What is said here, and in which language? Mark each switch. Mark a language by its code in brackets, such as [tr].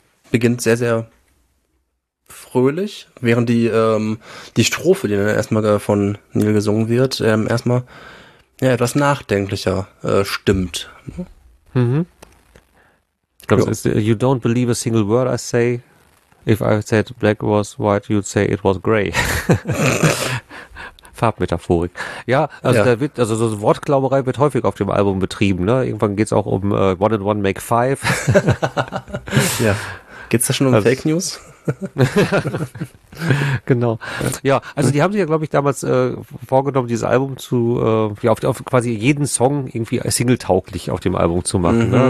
[de] Beginnt sehr, sehr fröhlich, während die Strophe, die dann erstmal von Neil gesungen wird, erstmal ja, etwas nachdenklicher stimmt. Ich glaube, es ist, [en] you don't believe a single word I say. If I said black was white, you'd say it was gray. [de] Farbmetaphorik. Ja, also ja. Da wird, also so Wortklauberei wird häufig auf dem Album betrieben, ne? Irgendwann geht's auch um One and One Make Five. Ja. Geht's da schon um also, Fake News? Genau. Ja, also die haben sich ja, glaube ich, damals vorgenommen, dieses Album zu, ja, auf quasi jeden Song irgendwie singletauglich auf dem Album zu machen. Mhm. Ne?